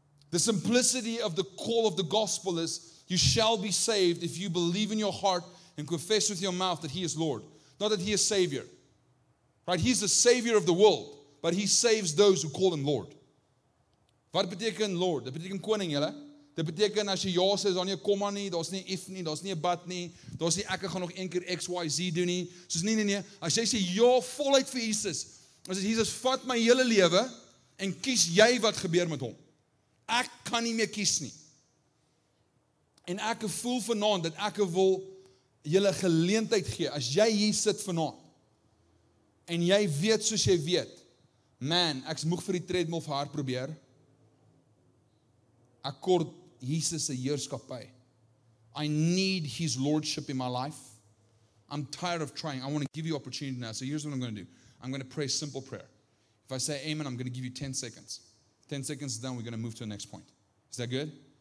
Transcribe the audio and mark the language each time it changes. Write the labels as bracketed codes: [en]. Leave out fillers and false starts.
[en] The simplicity of the call of the gospel is you shall be saved if you believe in your heart and confess with your mouth that He is Lord. Not that He is Savior. Right? He's the Savior of the world, but He saves those who call Him Lord. [af] Wat beteken Lord? Dit beteken koning, julle. Dit beteken as jy ja sê, daar's nie 'n komma nie, daar's nie 'n if nie, daar's nie 'n but nie, daar's nie ek gaan nog een keer X, Y, Z doen nie. Soos nie, nee, nee. As jy sê ja voluit vir Jesus, dan sê Jesus, vat my hele lewe en kies jy wat gebeur met hom. Ek kan nie meer kies nie. En ek voel vanaand dat ek wil julle geleentheid gee. As jy hier sit vanaand en jy weet soos jy weet, man, ek's moeg vir die treadmill vir haar probeer. Ek kort Jesus se heerskappy. [en] I need His lordship in my life. I'm tired of trying. I want to give you opportunity now. So here's what I'm going to do. I'm going to pray a simple prayer. If I say amen, I'm going to give you 10 seconds. 10 seconds is done, we're going to move to the next point. Is that good?